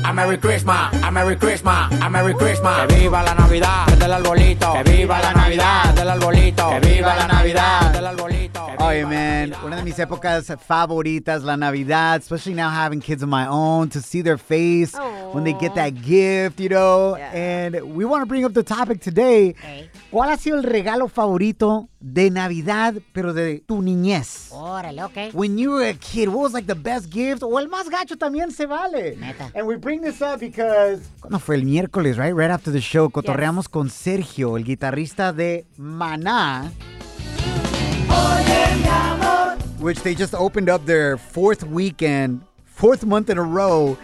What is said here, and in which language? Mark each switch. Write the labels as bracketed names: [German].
[English] A Merry Christmas. A Merry Christmas. [Spanish] A Merry Christmas. Que viva la Navidad del arbolito. Que viva la Navidad del arbolito. Que viva la Navidad del arbolito. [English] Oh, you, man. One of [Spanish] mis épocas favoritas, la Navidad, [English] especially now having kids of my own, to see their face when they get that gift, you know. Yeah. And we want to bring up the topic today. Okay. [Spanish] ¿Cuál ha sido el regalo favorito de Navidad, pero de tu niñez? Órale, okay. [English] When you were a kid, what was like the best gift? [Spanish] O el más gacho también se vale. Neta. [English] And we bring this up because... [Spanish] ¿Cuándo fue? El miércoles, right? Right after the show, cotorreamos con Sergio, el guitarrista de Maná. Oye, mi amor. [English] Which they just opened up their fourth month in a row.